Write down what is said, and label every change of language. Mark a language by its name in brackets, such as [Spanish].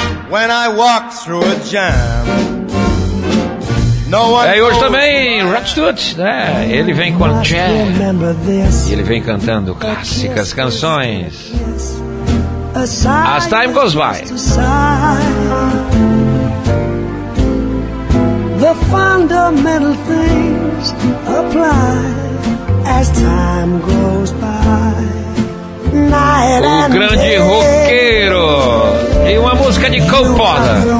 [English] When I walk through a jam, no one. [Portuguese] É, e hoje também, Rod Stewart, né? Ele vem com Cher. E ele vem cantando clássicas canções. [English] As Time Goes By. The fundamental things apply as time goes by. [Portuguese] O grande roqueiro e uma música de Coppola.